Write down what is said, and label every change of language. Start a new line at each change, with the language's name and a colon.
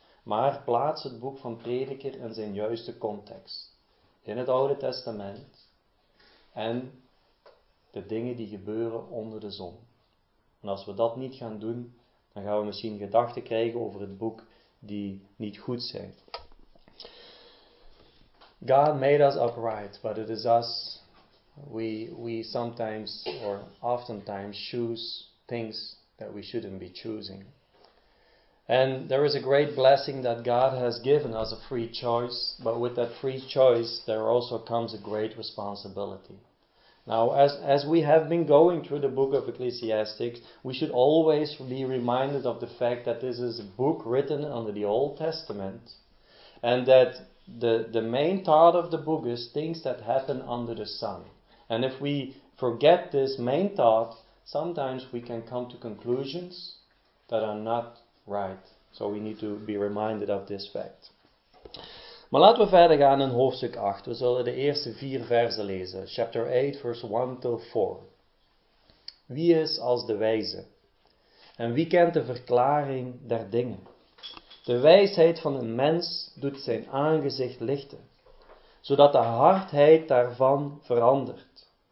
Dutch: Maar plaats het boek van Prediker in zijn juiste context. In het Oude Testament en de dingen die gebeuren onder de zon. En als we dat niet gaan doen, dan gaan we misschien gedachten krijgen over het boek die niet goed zijn.
English: God made us upright, but it is us. We sometimes or oftentimes choose things that we shouldn't be choosing. And there is a great blessing that God has given us a free choice, but with that free choice, there also comes a great responsibility. Now, as we have been going through the book of Ecclesiastes, we should always be reminded of the fact that this is a book written under the Old Testament, and that the main thought of the book is things that happen under the sun. And if we forget this main thought, sometimes we can come to conclusions that are not right. So we need to be reminded of this fact.
Dutch: Maar laten we verder gaan in hoofdstuk 8. We zullen de eerste vier versen lezen.
English: Chapter 8, verse 1 till 4.
Dutch: Wie is als de wijze? En wie kent de verklaring der dingen? De wijsheid van een mens doet zijn aangezicht lichten, zodat de hardheid daarvan verandert.